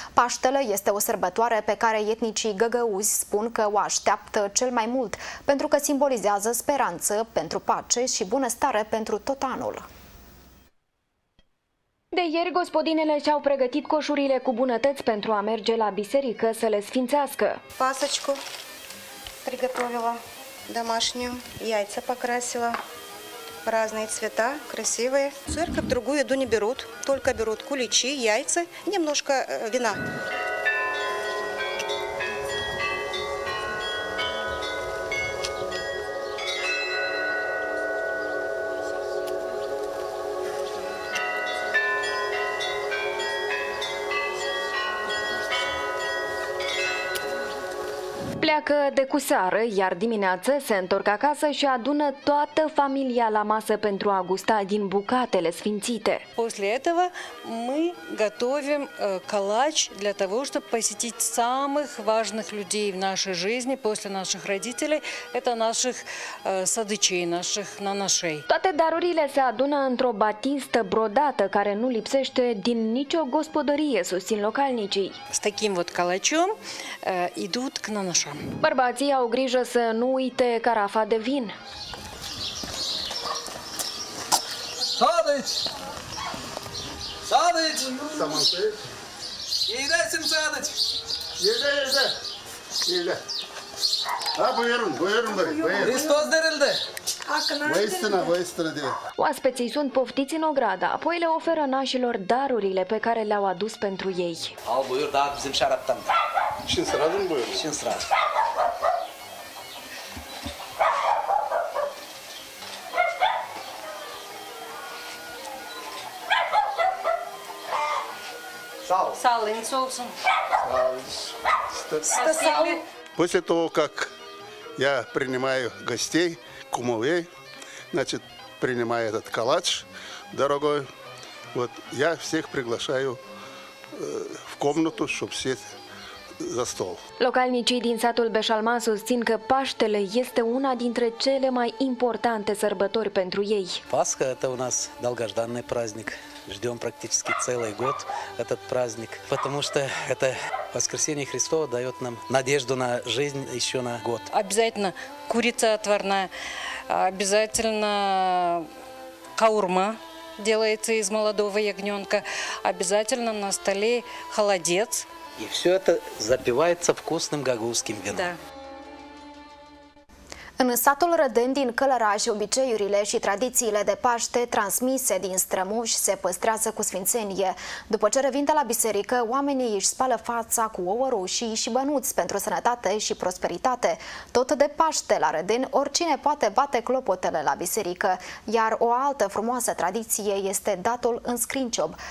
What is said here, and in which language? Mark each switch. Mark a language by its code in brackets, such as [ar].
[ro] Paștele este o sărbătoare pe care etnicii găgăuzi spun că o așteaptă cel mai mult, pentru că simbolizează speranță pentru pace și bunăstare pentru tot anul. De ieri, gospodinele și-au pregătit coșurile cu bunătăți pentru a merge la biserică să le sfințească. [ru] Пасочку приготовила домашнюю, яйца покрасила в разные цвета, красивые. Церковь другую еду не берут, только берут куличи, яйца, немножко вина. [ro] Pleacă de cu seară, iar dimineață se întorc acasă și adună toată familia la masă pentru a gusta din bucatele sfințite. [ru] После этого мы готовим калач для того, чтобы посетить самых важных людей в нашей жизни после наших родителей, это наших садичей, наших нанашей. [ro] Toate darurile se adună într-o batistă brodată care nu lipsește din nicio gospodărie, susțin localnicii. [ru] С таким вот калачом идут к нанашам. [ro] Bărbații au grijă să nu uite carafa de vin. [gag] Садыч! Садыч! Идесим, садыч! Иде, иде! Иде! A, buierun, buierun, buierun! Hristos de rilde! Voistână, voistână de! [ro] Oaspeții sunt poftiți în ograda, apoi le oferă nașilor darurile pe care le-au adus pentru ei. Au buier, da, zim și arătăm. Și-n strad, în buierun? Și-n strad. [gag] Сал. Сал, инсоусом. Сал. [ru] После того, как я принимаю гостей, кумовей, значит, принимаю этот калач, дорогой, вот я всех приглашаю в комнату, чтобы сесть. [ro] Localnicii din satul Beșalma susțin că Paștele este una dintre cele mai importante sărbători pentru ei. Pasca este un as [ru] долгожданный праздник. Ждем практически целый год этот праздник, потому что это воскресение Христово дает нам надежду на жизнь еще на год. Обязательно курица отварная, обязательно каурма делается из молодого ягненка, обязательно на столе холодец. И все это запивается вкусным гагаузским вином. Да. [ro] În satul Rădân din Călăraș, obiceiurile și tradițiile de Paște transmise din strămoși se păstrează cu sfințenie. După ce revin de la biserică, oamenii își spală fața cu ouă roșii și bănuți pentru sănătate și prosperitate. Tot de Paște la Rădân, oricine poate bate clopotele la biserică, iar o altă frumoasă tradiție este datul în scrinciob.